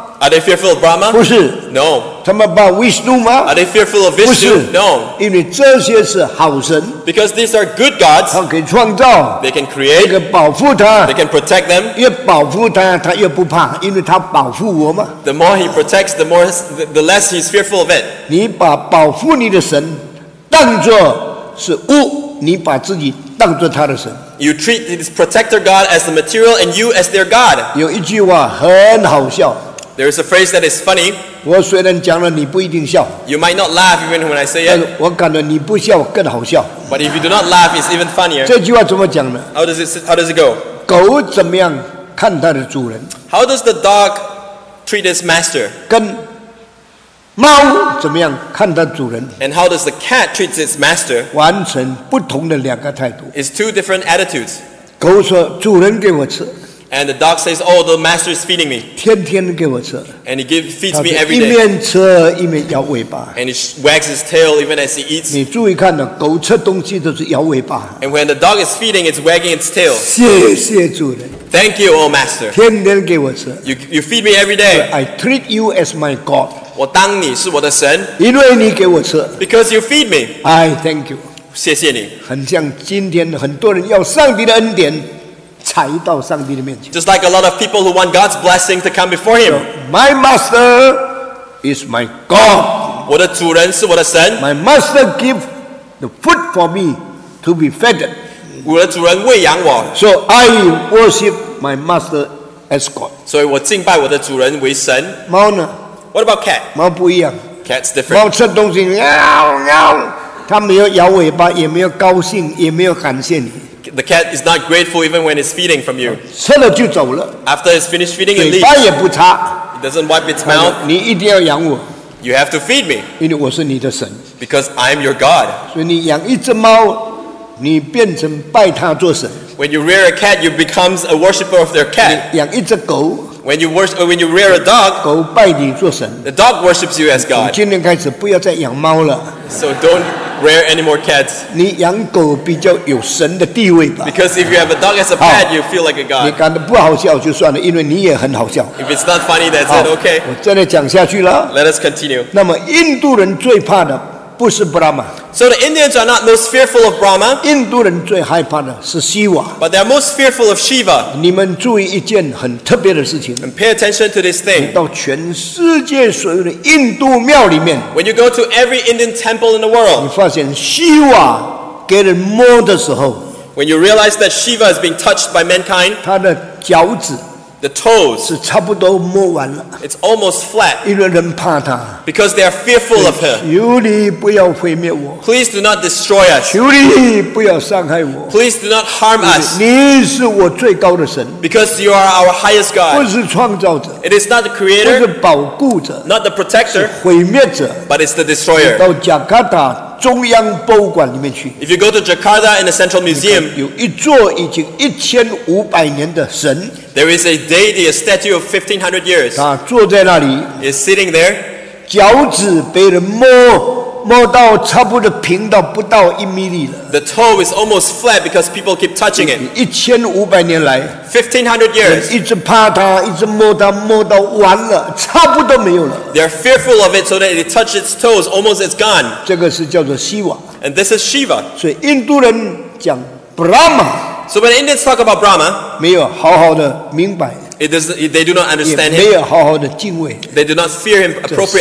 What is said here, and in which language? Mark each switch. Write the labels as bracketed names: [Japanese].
[English] Are they fearful of Brahma? [Chinese] 不是。 [English] No. [Chinese] 他们怕 Vishnu 吗？ [English] Are they fearful of Vishnu? [Chinese] 不是。 [English] No. [Chinese] 因为这些是好神。 [English] Because these are good gods. [Chinese] 他可以创造。 [English] They can create. [Chinese] 可以保护他。 [English] They can protect them. [Chinese] 越保护他，他越不怕，因为他保护我嘛。 [English] The more he protects, the less he's fearful of it. [Chinese] 你把保护你的神当作是物，你把自己当作他的神。 [English] You treat this protector god as the material and you as their god. [Chinese] 有一句话很好笑。 [English] There is a phrase that is funny. [Chinese] 我虽然讲了你不一定笑。 [English] You might not laugh even when I say it. [Chinese] 但我感到你不笑更好笑。 [English] But if you do not laugh, it's even funnier. [Chinese] 这句话怎么讲呢？ [English] How does it go? [Chinese] 狗怎么样看它的主人？ [English] How does the dog treat its master? [Chinese] 跟猫怎么样看它主人？ [English] And how does the cat treat its master? [Chinese] 完全不同的两个态度。 [English] It's two different attitudes. [Chinese] 狗说主人给我吃。 [English] And the dog says, oh, the master is feeding me. [Chinese] 天天给我吃。 [English] And he feeds me every day. [Chinese] 一面吃一面摇尾巴。 [English] And he wags his tail even as he eats. [Chinese] 你注意看呢，狗吃东西都是摇尾巴。 [English] And when the dog is feeding, it's wagging its tail. [Chinese] 谢主人。 [English] Thank you, oh master. [Chinese] 天天给我吃。 [English] You feed me every day. I treat you as my God. [Chinese] 我当你是我的神。因为你给我吃。 [English] Because you feed me. I thank you. [Chinese] 谢谢你。很像今天很多人要上帝的恩典。踩到上帝的面前。 [English] Just like a lot of people who want God's blessing to come before him. My master is my God. [Chinese] 我的主人是我的神。 [English] My master give the food for me to be fed. [Chinese] 我的主人喂养我。 [English] So I worship my master as God. [Chinese] 所以我敬拜我的主人为神。猫呢？ [English] What about cat? [Chinese] 猫不一样。 [English] Cat's different. [Chinese] 猫吃东西，喵喵，它没有摇尾巴，也没有高兴，也没有感谢你。 [English] The cat is not grateful even when it's feeding from you. [Chinese] 吃了就走了。 [English] After it's finished feeding, it leaves. [Chinese] 嘴巴也不擦。 [English] It doesn't wipe its mouth. [Chinese] 你一定要养我。 [English] You have to feed me. [Chinese] 因为我是你的神。 [English] Because I am your God. [Chinese] 所以你养一只猫，你变成拜它做神。 [English] When you rear a cat, you become a worshipper of their cat. [Chinese] 你养一只狗, [English] when you rear a dog, [Chinese] 狗拜你做神, [English] the dog worships you as God. [Chinese] 从今天开始不要再养猫了。 [English] So don't rear any more cats. [Chinese] 你养狗比较有神的地位吧。 [English] Because if you have a dog as a pet, you feel like a God. [Chinese] 你感到不好笑就算了, 因为你也很好笑。 [English] If it's not funny, that's it, okay. [Chinese] 我真的讲下去了。 [English] Let us continue. [Chinese] 那么印度人最怕的, [English] So the Indians are not most fearful of Brahma. [Chinese] 印度人最害怕的是Shiva. [English] But they are most fearful of Shiva. [Chinese] 你们注意一件很特别的事情。 [English] And pay attention to this thing. [Chinese] 你到全世界所有的印度庙里面, [English] When you go to every Indian temple in the world, [Chinese] 你发现Shiva给人摸的时候, [English] When you realize that Shiva is being touched by mankind, [Chinese] 他的脚趾, [English] The toes, [Chinese] 是差不多摸完了, [English] it's almost flat. [Chinese] 因为人怕他, [English] because they are fearful of him. [Chinese] 求你不要毁灭我, [English] Please do not destroy us. [Chinese] 求你不要伤害我, [English] Please do not harm us. [Chinese] 你是我最高的神, [English] because you are our highest God. [Chinese] 不是创造者, [English] it is not the creator. [Chinese] 不是保护者, [English] not the protector. [Chinese] 是毁灭者, [English] but it's the destroyer. [Chinese] 到Jakarta, 中央博物馆里面去, [English] if you go to Jakarta in the Central Museum, [Chinese] 有一座已经1500年的神, [English] there is a deity, a statue of 1500 years. [Chinese] 他坐在那里, [English] is sitting there, [Chinese] 脚趾被人摸, 摸到差不多平到不到1米了, [English] the toe is almost flat because people keep touching it. [Chinese] 1500年来, [English] 1500 years, [Chinese] 人一直怕他, 一直摸他, 摸到完了, 差不多没有了, [English] they are fearful of it so that it touched its toes, almost it's gone. [Chinese] 这个是叫做Shiva, [English] and this is Shiva. [Chinese] 所以印度人讲Brahma, [English] so when Indians talk about Brahma, [Chinese] 没有好好的明白, [English] it is, they do not understand him. [Chinese] 也没有好好的敬畏, [English] they do not fear him appropriately.